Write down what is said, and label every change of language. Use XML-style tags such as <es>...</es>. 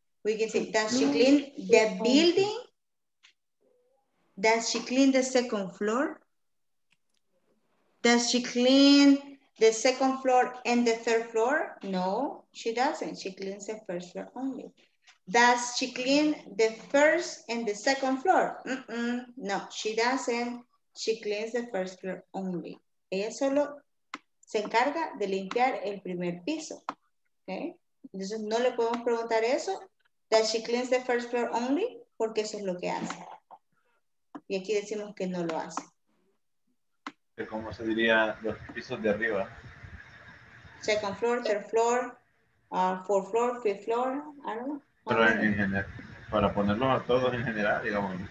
<en>We can say, does she clean the building? Does she clean the second floor? Does she clean the second floor and the third floor? No, she doesn't. She cleans the first floor only. Does she clean the first and the second floor? Mm-mm. No, she doesn't. She cleans the first floor only.</en> <es>Ella solo se encarga de limpiar el primer piso.</es> <en>Okay?</en> <es>Entonces no le podemos preguntar eso.</es> <en>Does she clean the first floor only?</en> <es>Porque eso es lo que hace. Y aquí decimos que no lo hace. ¿Cómo se diría los pisos de arriba?</es> <en>Second floor, third floor, fourth floor, fifth floor, I don't know.</en> <es>Pero en general, para ponerlos a todos en general, digamos, los</es>